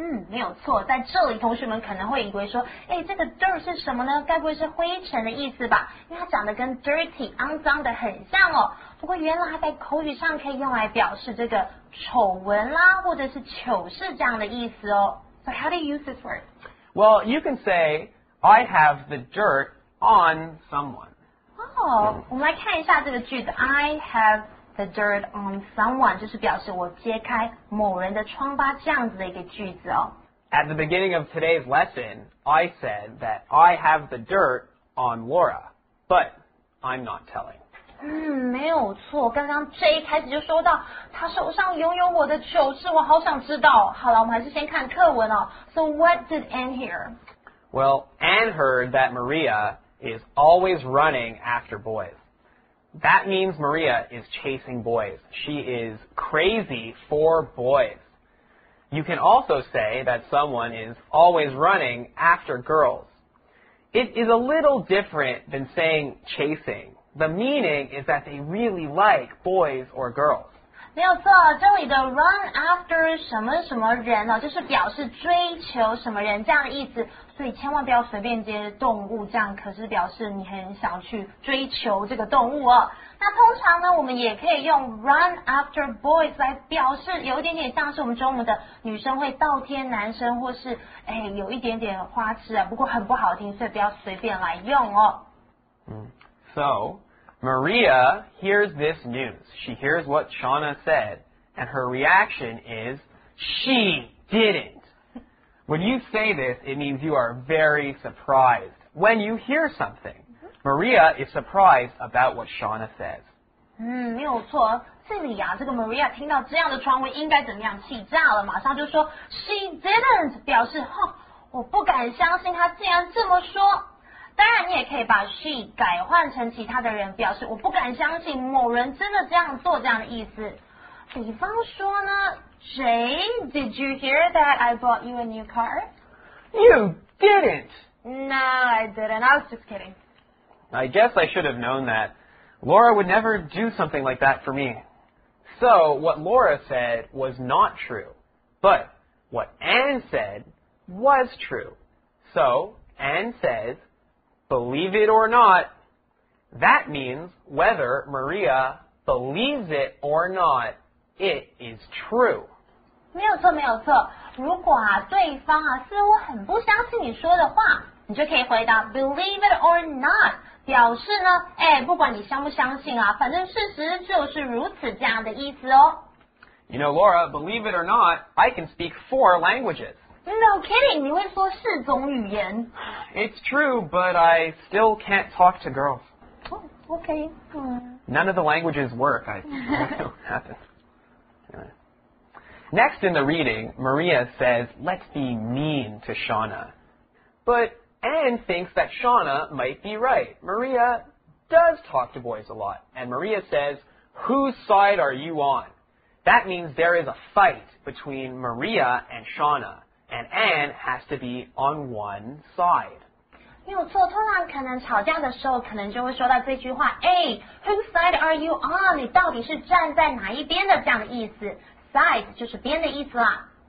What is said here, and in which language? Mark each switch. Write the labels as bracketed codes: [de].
[zh] 没有错，在这里同学们可能会以为说，哎，这个 dirt 是什么呢？该不会是灰尘的意思吧？因为它长得跟 dirty 肮脏的很像哦。不过原来在口语上可以用来表示这个丑闻啦，或者是糗事这样的意思哦。 [en] So how do you use this word? Well, you can say, I have the dirt on someone. [zh] 我们来看一下这个句子。 [en] I have the dirt on someone, [zh] 就是表示我揭开某人的疮疤这样子的一个句子哦。 [en] At the beginning of today's lesson, I said that I have the dirt on Laura, but I'm not telling. [zh] 没有错，刚刚这一开始就说到他手上拥有我的糗事，我好想知道。好了，我们还是先看课文哦。 [en] So what did Anne hear? Well, Anne heard that Maria is always running after boys. That means Maria is chasing boys. She is crazy for boys. You can also say that someone is always running after girls. It is a little different than saying chasing. The meaning is that they really like boys or girls. [zh] 没有错，这里的 run after 什么什么人呢，就是表示追求什么人这样的意思，所以千万不要随便接动物这样，可是表示你很想去追求这个动物哦。那通常呢，我们也可以用 run after boys 来表示，有一点点像是我们中文的女生会倒贴男生，或是哎有一点点花痴啊，不过很不好听，所以不要随便来用哦。嗯 [en] ，So。 Maria hears this news. She hears what Shauna said, and her reaction is, she didn't. When you say this, it means you are very surprised. When you hear something, Maria is surprised about what Shauna says. [zh] 没有错，这里啊，这个 Maria 听到这样的传闻应该怎么样，气炸了，马上就说 [en] she didn't, [zh] 表示，哦，我不敢相信她竟然这么说。当然你也可以把 she 改换成其他的人，表示我不敢相信某人真的这样做这样的意思。比方说呢， [en] Jay, did you hear that I bought you a new car? You didn't! No, I didn't. I was just kidding. I guess I should have known that. Laura would never do something like that for me. So, what Laura said was not true. But, what Anne said was true. So, Anne says... Believe it or not, that means whether Maria believes it or not, it is true. [zh] 没有错，没有错。如果啊，对方啊，似乎很不相信你说的话，你就可以回答 [en] believe it or not， [zh] 表示呢，哎，不管你相不相信啊，反正事实就是如此这样的意思哦。 [en] You know, Laura, believe it or not, I can speak 4 languages. No kidding, [zh] 你会说四种语言。 [en] It's true, but I still can't talk to girls. Oh, okay. None of the languages work. I don't know what happened. Anyway. Next in the reading, Maria says, let's be mean to Shauna. But Anne thinks that Shauna might be right. Maria does talk to boys a lot. And Maria says, whose side are you on? That means there is a fight between Maria and Shauna. And Anne has to be on one side. [zh] 没有错，通常可能吵架的时候，可能就会说到这句话，哎 ， [en] whose side are you on？ [zh] 你到底是站在哪一边的？这样的意思 ，side 就是边的意思啦。